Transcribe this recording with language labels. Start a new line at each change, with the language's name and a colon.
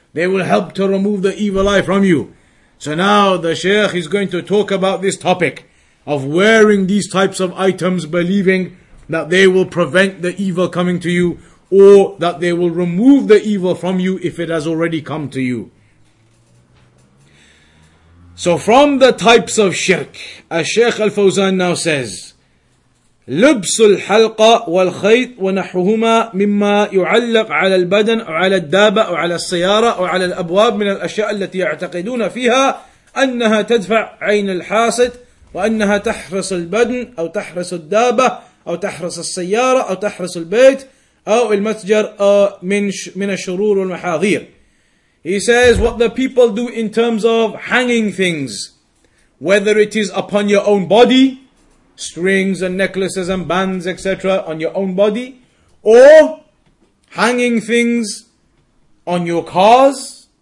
English: They will help to remove the evil eye from you. So now the Shaykh is going to talk about this topic of wearing these types of items, believing that they will prevent the evil coming to you, or that they will remove the evil from you if it has already come to you. So from the types of shirk, as Shaykh Al Fawzan now says,
Arabic: لبس الحلقة والخيط ونحوهما مما يعلق على البدن وعلى الدابة وعلى السيارة وعلى الأبواب من الأشياء التي يعتقدون فيها أنها تدفع عين الحاسد وأنها تحرس البدن أو تحرس الدابة أو تحرس السيارة أو تحرس البيت أو المتجر من الشرور والمحاذير.
English: He says what the people do in terms of hanging things, whether it is upon your own body, strings and necklaces and bands, etc., on your own body, or hanging things on your cars.